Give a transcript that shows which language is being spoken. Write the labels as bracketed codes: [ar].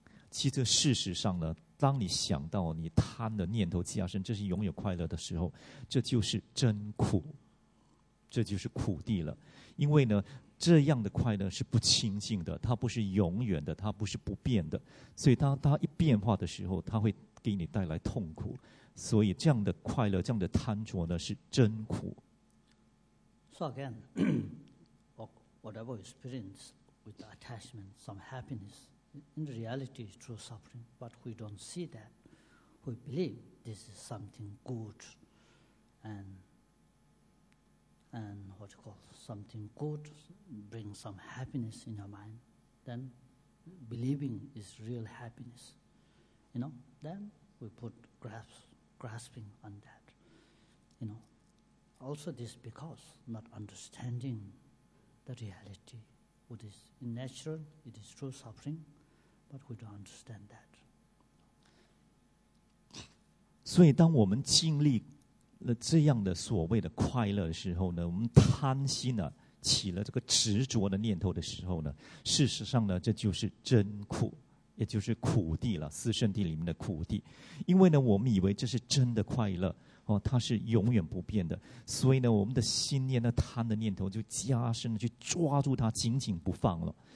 [zh] 其实事实上呢，当你想到你贪的念头加深，这是永远快乐的时候，这就是真苦，这就是苦地了。因为呢，这样的快乐是不清净的，它不是永远的，它不是不变的，所以当它一变化的时候，它会给你带来痛苦。所以这样的快乐，这样的贪着呢，是真苦。 [en] So again, whatever experience with the attachment, some happiness, in reality is true suffering, but we don't see that. We believe this is something good, and what you call something good brings some happiness in your mind. Then believing is real happiness. You know, then we put grasping on that, you know. Also this because not understanding the reality, what is natural, it is true suffering, but we don't understand that. [zh] 所以当我们经历了这样的所谓的快乐的时候呢，我们贪心了，起了这个执着的念头的时候呢，事实上呢，这就是真苦，也就是苦地了，四圣地里面的苦地。因为呢，我们以为这是真的快乐哦，它是永远不变的，所以呢，我们的心念呢，贪的念头就加深了，去抓住它，紧紧不放了。